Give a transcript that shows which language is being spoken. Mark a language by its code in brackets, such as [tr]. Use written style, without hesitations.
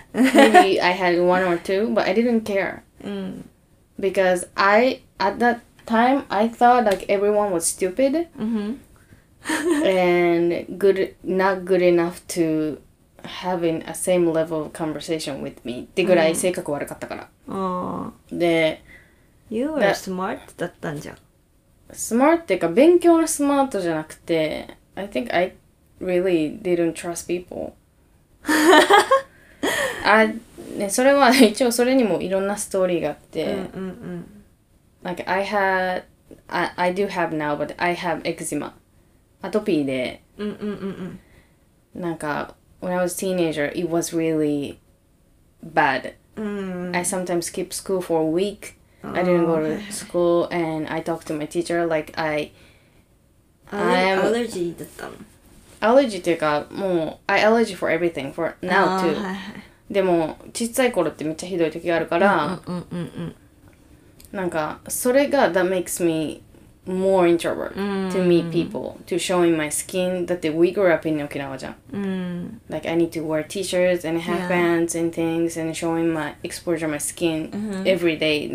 [en] Maybe I had one or two, but I didn't care. Because I, at that time, I thought like everyone was stupid and good, not good enough to have a same level of conversation with me. [ja] ってぐらい性格悪かったから。で、 [en] You were smart [ja] だったんじゃん。 Smart っていうか、勉強のスマートじゃなくて、 [en] I think I really didn't trust people. [ja] あ、ね、それは一応それにもいろんなストーリーがあって、 [en] Like I had, I do have now, but I have eczema, [ja] アトピーで、なんか [en] when I was a teenager, it was really bad. I sometimes skip school for a week. I didn't go to school, and I talked to my teacher like I'm allergy [ja] だったの。 [en] Allergy [ja] というか、もう [en] I allergy for everything for now too. [ja] でも小さい頃ってめっちゃひどい時があるから。なんかそれが [en] that makes me more introvert to meet people to showing my skin. [ja] だって [en] we grew up in Okinawa [ja] じゃん。 [en] Like I need to wear t-shirts and headbands and things and showing my exposure my skin every day.